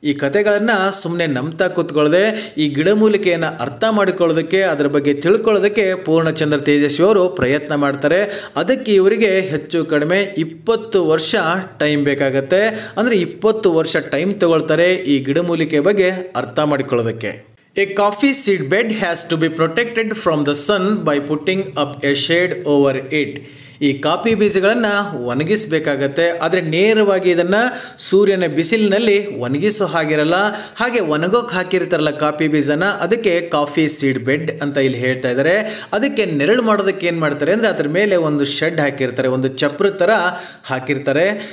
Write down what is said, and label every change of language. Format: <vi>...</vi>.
<kn>ಈ ಕಥೆಗಳನ್ನು ಸುಮ್ಮನೆ ನಂಬ್ತಾ ಕೂತ್ಕೊಳ್ಳದೆ ಈ ಗಿಡಮೂಲಿಕೆಯನ್ನು ಅರ್ಥ ಮಾಡಿಕೊಳ್ಳೋದಕ್ಕೆ, ಅದರ ಬಗ್ಗೆ ತಿಳ್ಕೊಳ್ಳೋದಕ್ಕೆ ಪೂರ್ಣಚಂದ್ರ ತೇಜಸ್ವಿ ಅವರು ಪ್ರಯತ್ನ ಮಾಡ್ತಾರೆ. ಅದಕ್ಕೆ ಇವರಿಗೆ ಹೆಚ್ಚು ಕಡಿಮೆ 20 ವರ್ಷ ಟೈಮ್ ಬೇಕಾಗತ್ತೆ. ಅಂದರೆ 20 ವರ್ಷ ಟೈಮ್ ತಗೊಳ್ತಾರೆ ಈ ಗಿಡಮೂಲಿಕೆ ಬಗ್ಗೆ ಅರ್ಥ ಮಾಡಿಕೊಳ್ಳೋದಕ್ಕೆ.</kn> <en>A coffee seed bed has to be protected from the sun by putting up a shade over it.</en> <kn>ಈ ಕಾಫಿ ಬೀಜಗಳನ್ನ ಒಣಗಿಸಬೇಕಾಗತ್ತೆ. ಆದ್ರೆ ನೇರವಾಗಿ ಇದನ್ನ ಸೂರ್ಯನ ಬಿಸಿಲಿನಲ್ಲಿ ಒಣಗಿಸೋ ಹಾಗಿರಲ್ಲ, ಹಾಗೆ ಒಣಗೋಕ್ ಹಾಕಿರ್ತಾರಲ್ಲ ಕಾಫಿ ಬೀಜನ, ಅದಕ್ಕೆ ಕಾಫಿ ಸೀಡ್ ಬೆಡ್ ಅಂತ ಇಲ್ಲಿ ಹೇಳ್ತಾ ಇದ್ದಾರೆ. ಅದಕ್ಕೆ ನೆರಳು ಮಾಡೋದಕ್ಕೆ ಏನ್ ಮಾಡ್ತಾರೆ ಅಂದ್ರೆ ಅದ್ರ ಮೇಲೆ ಒಂದು ಶೆಡ್ ಹಾಕಿರ್ತಾರೆ, ಒಂದು ಚಪ್ರ ತರ ಹಾಕಿರ್ತಾರೆ.</kn>